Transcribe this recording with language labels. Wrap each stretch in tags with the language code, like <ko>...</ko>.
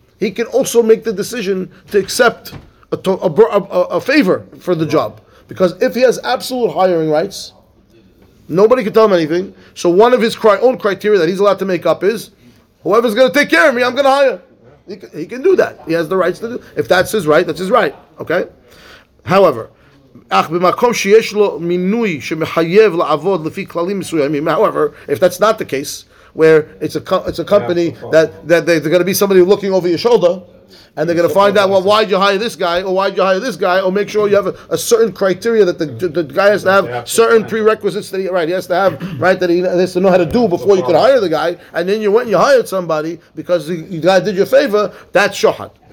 <en>He can also make the decision to accept a favor for the job. Because if he has absolute hiring rights, nobody can tell him anything. So one of his own criteria that he's allowed to make up is, whoever's going to take care of me, I'm going to hire. He can do that. He has the rights to do. If that's his right, that's his right. Okay? However,</en> <he>אך במקום שיש לו מינוי שמחייב לעבוד לפי כללים מסוימים.</he> <en>However, if that's not the case, where it's a company that there's going to be somebody looking over your shoulder, and they're going to find out, well, why did you hire this guy, or why did you hire this guy, or make sure you have a certain criteria that the guy has to have certain prerequisites that he has to know how to do before you could hire the guy, and then you went and you hired somebody because the guy did you a favor. That's shohad.</en>